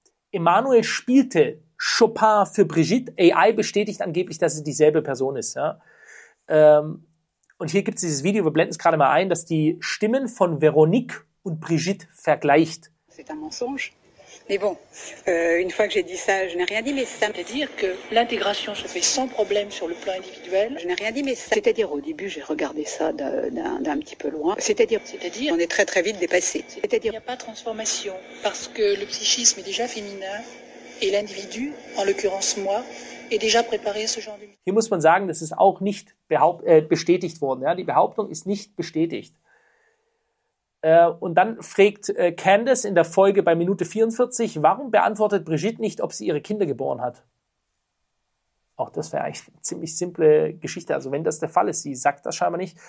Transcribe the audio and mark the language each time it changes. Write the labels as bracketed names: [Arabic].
[German] Emmanuel spielte Chopin für Brigitte. AI bestätigt angeblich, dass es dieselbe Person ist. Ja. Und hier gibt es dieses Video, wir blenden es gerade mal ein, dass die Stimmen von Veronique und Brigitte vergleicht. [French] C'est un mensonge. Mais bon, une fois que j'ai dit ça, je n'ai rien dit, mais ça. C'est-à-dire que l'intégration se fait sans problème sur le plan individuel. Je n'ai rien dit, mais ça. C'est-à-dire, au début, j'ai regardé ça d'un petit peu loin. C'est-à-dire, on est très très vite dépassé. C'est-à-dire, il n'y a pas de transformation, parce que le psychisme est déjà féminin, et l'individu, en l'occurrence moi, est déjà préparé à ce genre de. [German] Hier muss man sagen, das ist auch nicht bestätigt worden. Ja? Die Behauptung ist nicht bestätigt. Und dann fragt Candace in der Folge bei Minute 44, warum beantwortet Brigitte nicht, ob sie ihre Kinder geboren hat? Auch das wäre eigentlich eine ziemlich simple Geschichte. Also wenn das der Fall ist, sie sagt das scheinbar nicht.